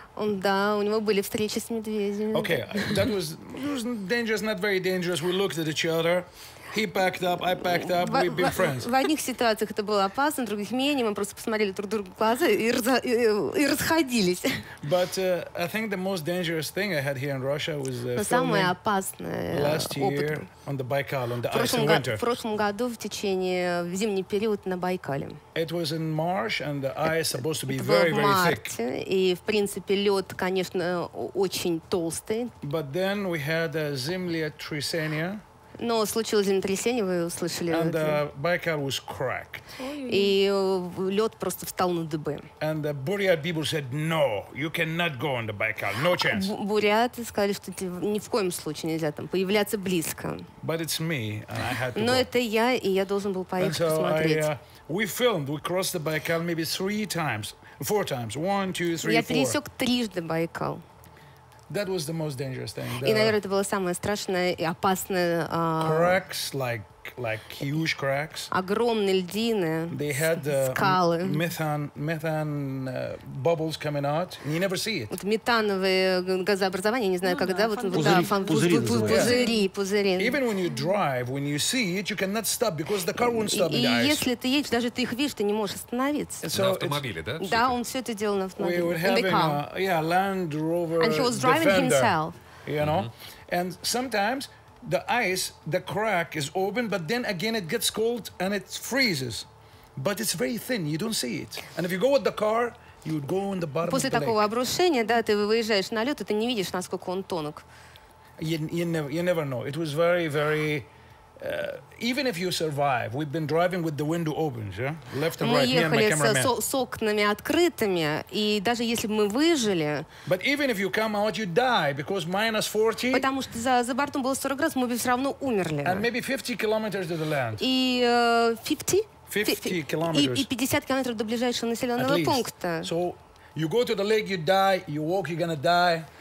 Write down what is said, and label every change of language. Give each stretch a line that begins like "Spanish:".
Russian: Он, да, у него были встречи с медведями.
English: Okay, that was dangerous, not very dangerous. We looked at each other. He packed up, I packed up, we've been friends.
Russian: В одних ситуациях это было опасно, в других менее. Мы просто посмотрели друг другу в глаза и расходились.
English: But I think the most dangerous thing I had here in Russia was
Russian: самое опасное
English: last year on the Baikal, on the ice in winter.
Russian: В прошлом году в течение в зимний период на Байкале.
English: It was in March and the ice supposed to be very, very thick.
Russian: И в принципе лед, конечно, очень толстый.
English: But then we had a zimlia trysenia.
Russian: Но случилось землетрясение, вы услышали.
English: And the Baikal was cracked.
Russian: И лед просто встал на дыбы.
English: And the Buryat people said, no, you cannot go on the Baikal, no chance.
Russian: Буряты сказали, что ни в коем случае нельзя там появляться близко.
English: But it's me, and I had to
Russian: Но
English: go.
Russian: Это я, и я должен был поехать
English: and so
Russian: посмотреть.
English: We filmed, we crossed the Baikal maybe three times, four times, one, two, three, four.
Russian: Я пересек трижды Байкал.
English: That was the most dangerous thing.
Russian: И, наверное, это было самое страшное и опасное.
English: Cracks, like huge cracks.
Russian: Огромные льдины.
English: They had
Russian: скалы.
English: Methane bubbles coming out. And you never see it.
Russian: Вот метановые газообразования, не знаю, ну, когда вот пузыри.
English: Even when you drive, when you see it, you cannot stop because the car won't stop.
Russian: И если ты едешь, даже ты их видишь, ты не можешь остановиться. На автомобиле, да? Да, он все это делал на автомобиле.
English: Land Rover. And he was driving himself. You know, and sometimes. The ice, the crack is open, but then again it gets cold and it freezes. But it's very thin, you don't see it. And if you go with the car, you would go on the bottom
Russian: После После такого обрушения, да, ты выезжаешь на лед, и ты не видишь, насколько он тонок.
English: You never know. It was very, very... even if you survive, we've been driving with the window open, yeah? Left and right, me and my cameraman.
Russian: Мы ехали с окнами открытыми, и даже если бы мы выжили...
English: But even if you come out, you die, because minus 40...
Russian: Потому что за бортом было 40 градусов, мы бы все равно умерли.
English: And maybe 50 kilometers to the land.
Russian: И
English: 50 kilometers.
Russian: И 50 километров до ближайшего населенного пункта.
English: So you go to the lake, you die, you walk, you're gonna die.